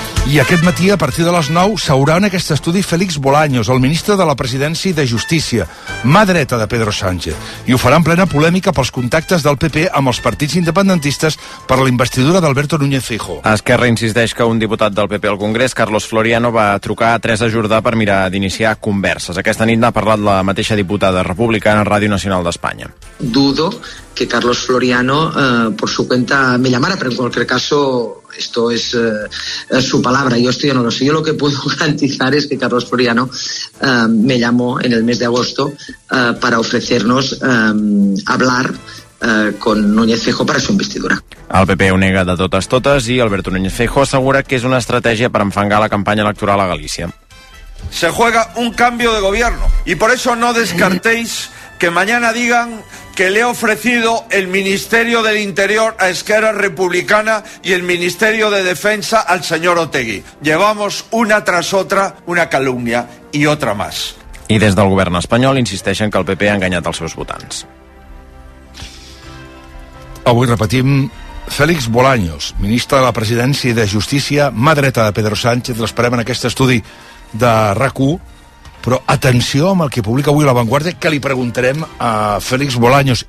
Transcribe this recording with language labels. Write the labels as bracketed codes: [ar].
[ca] I aquest matí, a partir de les 9, s'haurà en aquest estudi Félix Bolaños, el ministre de la Presidència i de Justícia, mà dreta de Pedro Sánchez, i ho farà en plena polèmica pels contactes del PP amb els partits independentistes per a la investidura d'Alberto Núñez Feijóo. Esquerra insisteix que un diputat del PP al Congrés, Carlos Floriano, va trucar a Teresa Jordà per mirar d'iniciar converses. Aquesta nit n'ha parlat la mateixa diputada republicana a Ràdio Nacional d'Espanya. [es] Dudo que Carlos Floriano, por su cuenta, me llamara, pero en cualquier caso... Esto es su palabra, yo estoy, no lo sé. Yo lo que puedo garantizar es que Carlos Floriano me llamó en el mes de agosto para ofrecernos hablar con Núñez Feijóo para su investidura. [ca] El PP ho nega de totes totes i Alberto Núñez Feijóo assegura que és una estratègia per enfangar la campanya electoral a Galícia. [es] Se juega un cambio de gobierno y por eso no descartéis que mañana digan que le he ofrecido el Ministerio del Interior a Esquerra Republicana y el Ministerio de Defensa al señor Otegi. Llevamos una tras otra una calumnia y otra más. [ca] I des del govern espanyol insisteixen que el PP ha enganyat els seus votants. Avui repetim, Félix Bolaños, ministre de la Presidència i de Justícia, mà dreta de Pedro Sánchez, l'esperem en aquest estudi de RAC1. Però atenció amb el que publica avui La Vanguardia, que li preguntarem a Félix Bolaños.